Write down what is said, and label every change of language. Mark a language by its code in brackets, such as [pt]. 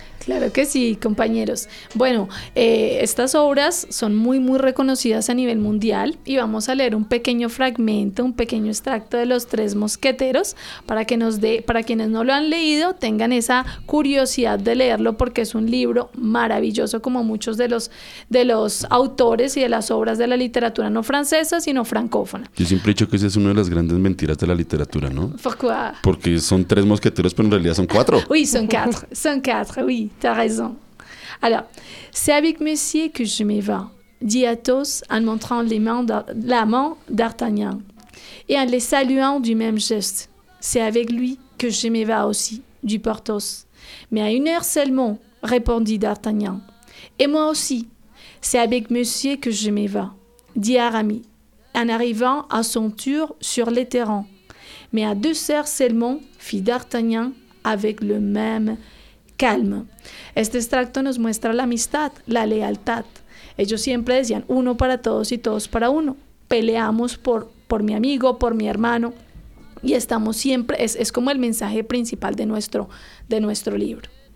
[es] Claro que sí, compañeros. Bueno, estas obras son muy, muy reconocidas a nivel mundial, y vamos a leer un pequeño fragmento, un pequeño extracto de Los Tres Mosqueteros para quienes no lo han leído, tengan esa curiosidad de leerlo, porque es un libro maravilloso, como muchos de los autores y de las obras de la literatura no francesa, sino francófona. Yo siempre he dicho que ese es una de las grandes mentiras de la literatura, ¿no? ¿Por qué? Porque son tres mosqueteros, pero en realidad son cuatro. [fr] Oui, [es] son cuatro, [fr] oui. T'as raison. Alors, c'est avec monsieur que je m'y vais, dit Athos en montrant la main d'Artagnan et en les saluant du même geste. C'est avec lui que je m'y vais aussi, dit Porthos. Mais à une heure seulement, répondit d'Artagnan. Et moi aussi, c'est avec monsieur que je m'y vais, dit Aramis en arrivant à son tour sur les terrains. Mais à deux heures seulement, fit d'Artagnan avec le même calma. [es] Este extracto nos muestra la amistad, la lealtad. Ellos siempre decían uno para todos y todos para uno. Peleamos por mi amigo, por mi hermano, y estamos siempre, es como el mensaje principal de nuestro libro.